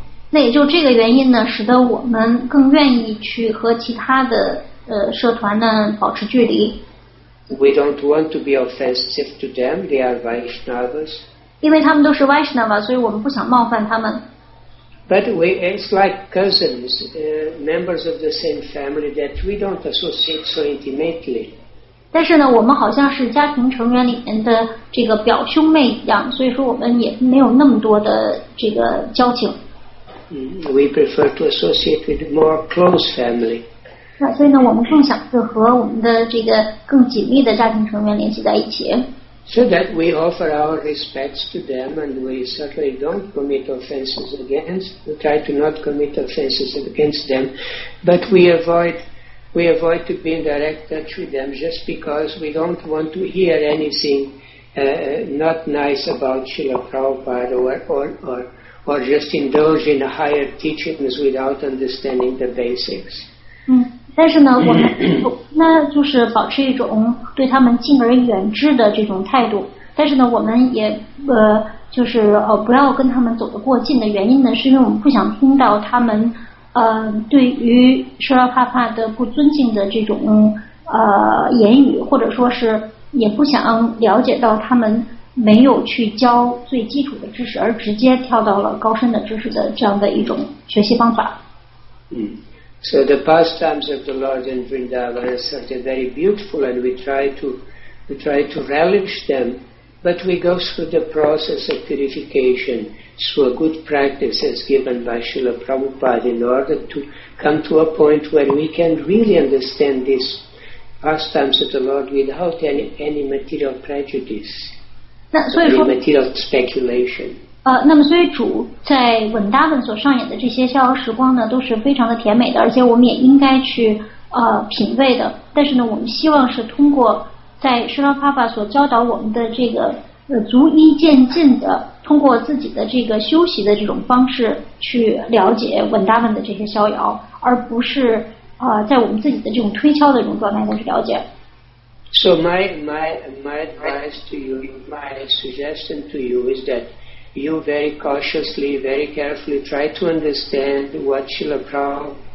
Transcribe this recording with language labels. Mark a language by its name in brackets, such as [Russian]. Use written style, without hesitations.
[Chinese] 那也就这个原因呢使得我们更愿意去和其他的社团呢保持距离。 [English] We don't want to be offensive to them, they are Vaishnavas. [Chinese] 因为他们都是 Vaishnava, 所以我们不想冒犯他们。 [English] But we, it's like cousins, members of the same family that we don't associate so intimately. [Chinese] 但是呢，我们好像是家庭成员里面的这个表兄妹一样，所以说我们也没有那么多的这个交情。 [English] We prefer to associate with more close family. [Chinese] 那所以呢，我们更想是和我们的这个更紧密的家庭成员联系在一起。 [English] So that we offer our respects to them and we certainly don't commit offenses against, we try to not commit offenses against them, but we avoid to be in direct touch with them just because we don't want to hear anything not nice about Srila Prabhupada or just indulge in higher teachings without understanding the basics. [Chinese] 但是呢，我们那就是保持一种对他们敬而远之的这种态度。但是呢，我们也就是不要跟他们走得过近的原因呢，是因为我们不想听到他们对于Srila Prabhupada的不尊敬的这种言语，或者说是也不想了解到他们没有去教最基础的知识，而直接跳到了高深的知识的这样的一种学习方法。嗯。 [English] So the pastimes of the Lord in Vrindavan are certainly very beautiful and we try to relish them, but we go through the process of purification through a good practice as given by Srila Prabhupada in order to come to a point where we can really understand these pastimes of the Lord without any material prejudice, any material speculation. [Chinese] 那么所以主在文达文所上演的这些逍遥时光呢都是非常的甜美的而且我们也应该去品味的但是呢我们希望是通过在施拉帕帕所教导我们的这个逐一渐进的通过自己的这个休息的这种方式去了解文达文的这些逍遥而不是在我们自己的这种推敲的这种状态下去了解。 [English] So my advice to you, my suggestion to you is that you very cautiously, very carefully try to understand what Srila Prabhupada.